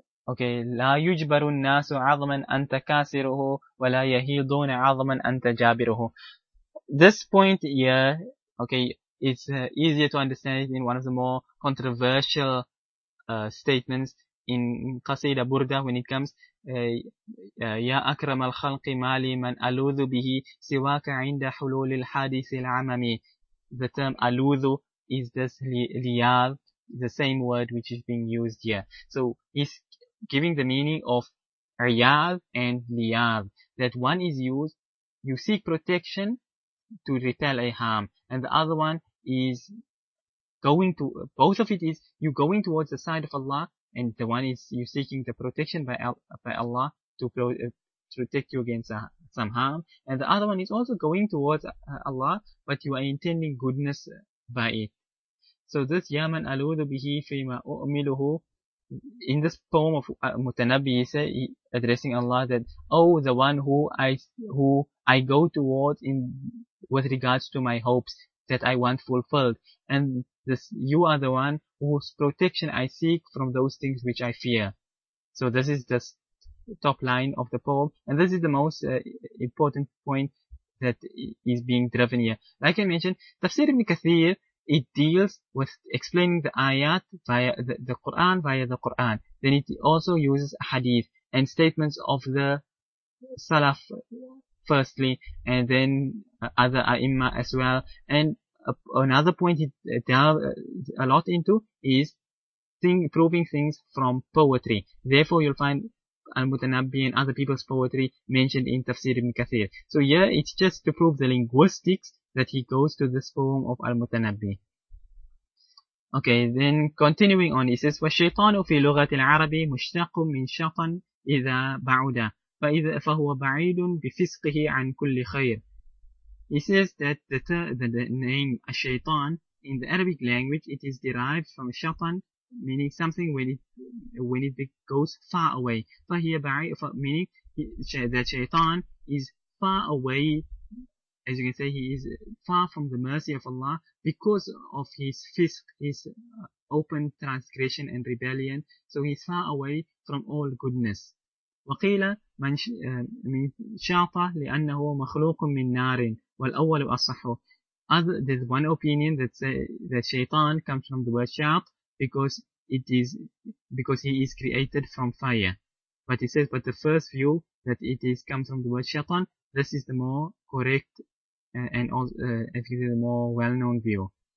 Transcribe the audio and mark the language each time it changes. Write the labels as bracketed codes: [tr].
[ar] Okay, لا يجبر الناس عظما أن تكاسره ولا يهيضون عظما أن تجابره. [en] This point, yeah, okay, it's easier to understand it in one of the more controversial statements in قصيدة بردة when it comes [ar] يا أكرم الخلق مالي من ألوذ به سواك عند حلول الحادث العممي. [en] The term ألوذ is this لياض, the same word which is being used here. So it's giving the meaning of riyadh and liyadh, that one is used, you seek protection to repel a harm, and the other one is going to, both of it is, you going towards the side of Allah, and the one is you seeking the protection by Allah to protect you against some harm, and the other one is also going towards Allah, but you are intending goodness by it. So this, [ar] يَا مَنْ أَلُوذُ بِهِ فِيمَا أُؤْمِلُهُ. [en] In this poem of Mutanabbi, he said, addressing Allah, that, oh, the one who I go towards in with regards to my hopes that I want fulfilled. And this, you are the one whose protection I seek from those things which I fear. So this is the top line of the poem. And this is the most important point that is being driven here. Like I mentioned, Tafsir ibn Kathir, it deals with explaining the ayat via the Quran, via the Quran. Then it also uses hadith and statements of the Salaf firstly, and then other a'imma as well. And another point it delves a lot into is proving things from poetry. Therefore, you'll find Al-Mutanabbi and other people's poetry mentioned in Tafsir ibn Kathir. So here, it's just to prove the linguistics that he goes to this poem of Al-Mutanabbi. Okay, then continuing on, he says, [ar] وَالشَّيْطَانُ فِي لُغَةِ الْعَرَبِي مُشْتَقٌ مِنْ شَقًا إِذَا بَعُدَ فَإِذَا فَهُوَ بَعِيدٌ بِفِسْقِهِ عَنْ كُلِّ خَيْرٍ. [en] He says that the name الشيطان in the Arabic language, it is derived from شَقًا, meaning something when it goes far away. [ar] فَهِيَ بَعِيدٌ, [en] meaning that شَيْطَان is far away. As you can say, he is far from the mercy of Allah because of his fisq, his open transgression and rebellion. So he's far away from all goodness. [ar] وقيل من من شاطه لأنه مخلوق من نار والأول أصح. [en] There's one opinion that say that shaitan comes from the word shaat because he is created from fire. But he says, but the first view that it is comes from the word shaitan, this is the more correct and if you the more well-known view.